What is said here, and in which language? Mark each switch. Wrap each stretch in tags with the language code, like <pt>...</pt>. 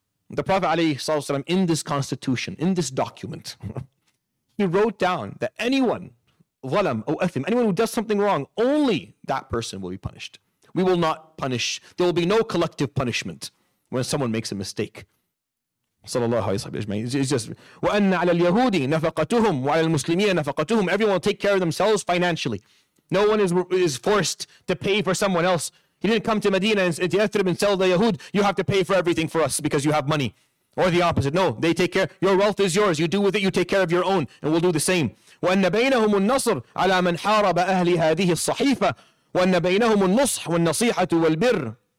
<en>The Prophet ﷺ, in this constitution, in this document, he wrote down that anyone,</en> <ar>ظلم أو أثم,</ar> <en>anyone who does something wrong, only that person will be punished. We will not punish. There will be no collective punishment when someone makes a mistake.</en> <ar>صلى الله عليه وسلم.</ar> <en>It's just,</en> <ar>وأن على اليهود نفقتهم وعلى المسلمين نفقتهم.</ar> <en>Everyone will take care of themselves financially. No one is forced to pay for someone else. He didn't come to Medina and to Yathrib and tell the Yahud, you have to pay for everything for us because you have money. Or the opposite. No, they take care. Your wealth is yours. You do with it, you take care of your own. And we'll do the same.</en> <ar>وَأَنَّ بَيْنَهُمُ النَّصْرُ عَلَى مَنْ حَارَبَ أَهْلِ هَذِهِ الصَّحِيفَةِ وَأَنَّ بَيْنَهُمُ النُّصْحُ وَالنَّصِيحَةُ وَالْبِرُّ.</ar>